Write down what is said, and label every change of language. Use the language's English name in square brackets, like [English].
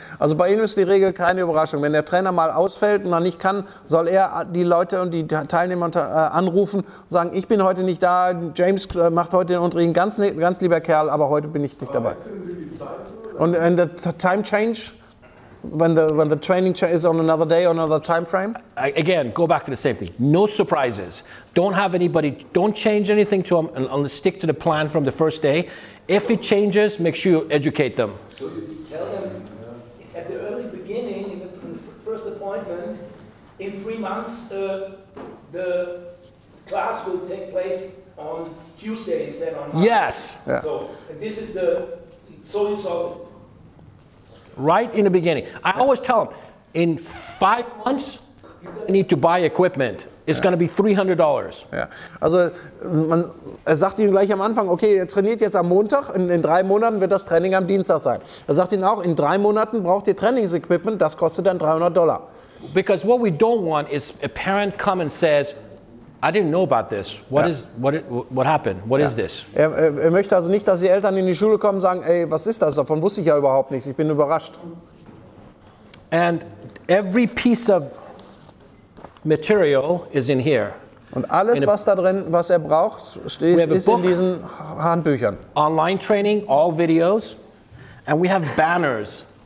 [German] Also bei ihm ist die Regel keine Überraschung. Wenn der Trainer mal ausfällt und dann nicht kann, soll er die Leute und die Teilnehmer anrufen und sagen, ich bin heute nicht da, James macht heute den Unterricht, ganz lieber Kerl, aber heute bin ich nicht dabei. [English] Und the time change, when the training is on another day, on another time frame? Again, go back to the same thing. No surprises. Don't have anybody, don't change anything to them and only stick to the plan from the first day. If it changes, make sure you educate them. So you tell them at the early beginning, in the first appointment, in 3 months, the class will take place on Tuesday instead of Monday. Yes. Yeah. So this is the so-and-so. Right in the beginning. I always tell them, In 5 months, you're going to need to buy equipment. It's going to be $300. [German] Ja. Also, man, er sagt ihm gleich am Anfang, okay, ihr trainiert jetzt am Montag, in 3 Monaten wird das Training am Dienstag sein. Er sagt ihm auch, in 3 Monaten braucht ihr Trainingsequipment, das kostet dann $300. [English] Because what we don't want is a parent come and says, I didn't know about this. What is what happened? What is this? [German] Er möchte also nicht, dass die Eltern in die Schule kommen und sagen, ey, was ist das? Davon wusste ich ja überhaupt nichts. Ich bin überrascht. [English] And every piece of material is in here. [German] Und alles, was da drin, was er braucht, steht ist in diesen Handbüchern. [English] Online training, all videos, and we have banners.